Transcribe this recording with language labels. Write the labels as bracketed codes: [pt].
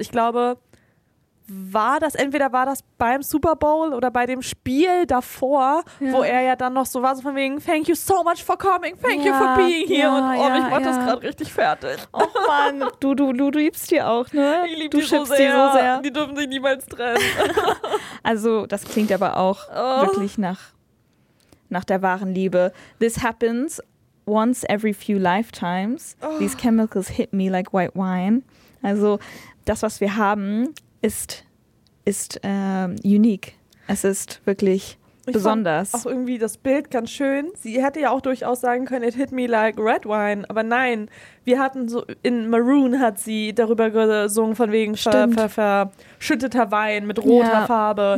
[de] Ich glaube, war das beim Super Bowl oder bei dem Spiel davor, wo er ja dann noch so war, so von wegen, [en] thank you so much for coming, thank you for being here. [de] Ich mach das gerade richtig fertig. Oh Mann, du liebst die auch, ne? Ich lieb die so sehr. Die so sehr. Die dürfen sich niemals trennen. Also, das klingt aber auch wirklich nach der wahren Liebe. [en] This happens once every few lifetimes. Oh. These chemicals hit me like white wine. [de] Also, das, was wir haben, ist unique. Es ist wirklich besonders. Auch irgendwie das Bild ganz schön. Sie hätte ja auch durchaus sagen können, [en] it hit me like red wine. [de] Aber nein, wir hatten so, in Maroon hat sie darüber gesungen, von wegen verschütteter Wein mit roter Farbe.